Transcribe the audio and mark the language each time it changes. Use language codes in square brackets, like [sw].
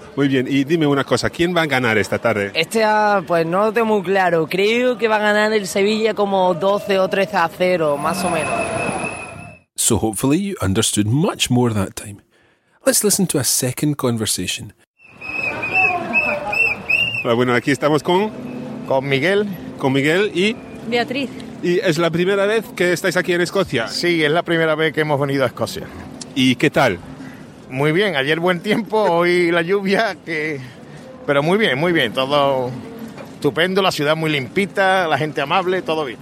[es] Muy bien, y dime una cosa, ¿quién va a ganar esta tarde? Pues no lo tengo muy claro. Creo que va a ganar el Sevilla como 12 o 13 a 0, más o menos. [en] So hopefully you understood much more that time. Let's listen to a second conversation. [es] Hola, bueno, aquí estamos con... Con Miguel. Con Miguel y... Beatriz. ¿Y es la primera vez que estáis aquí en Escocia? Sí, es la primera vez que hemos venido a Escocia. ¿Y qué tal? Muy bien, ayer buen tiempo, hoy la lluvia, que... pero muy bien, todo estupendo, la ciudad muy limpita, la gente amable, todo bien.